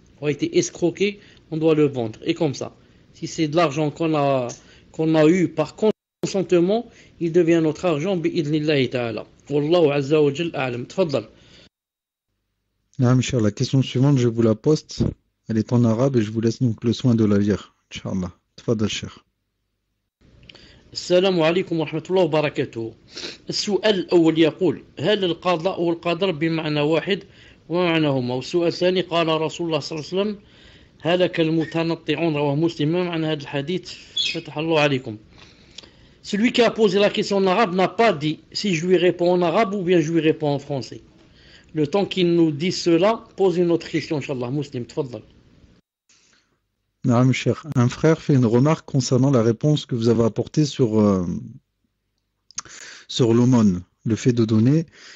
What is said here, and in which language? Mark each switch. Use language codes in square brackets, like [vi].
[fr] A été escroqué, on doit le vendre. Et comme ça, si c'est de l'argent qu'on a eu par consentement, il devient notre argent, bi'idhnillahi ta'ala. [ar] Wallahu azza wa jal a'lam. Tfadal. [fr] Ah, Michel, la question suivante, je vous la poste. Elle est en arabe et je vous laisse donc le soin de la lire. [ar] Inch'Allah. Tfadal, cher. السلام عليكم ورحمة الله وبركاته. السؤال الأول يقول: هل القضاء والقدر بمعنى واحد ومعناهما؟ والسؤال الثاني: قال رسول الله صلى الله عليه وسلم: هلك المتنطعون، رواه مسلم. ما معنى هذا الحديث؟ فتح الله عليكم. [fr] Celui qui a posé la question en arabe n'a pas dit si je lui réponds en arabe ou bien je lui réponds en français. Le temps qu'il nous dise cela, pose une autre question, inshallah, Muslim, تفضل. Non, cher, un frère fait une remarque concernant la réponse que vous avez apportée sur l'aumône, le fait de donner.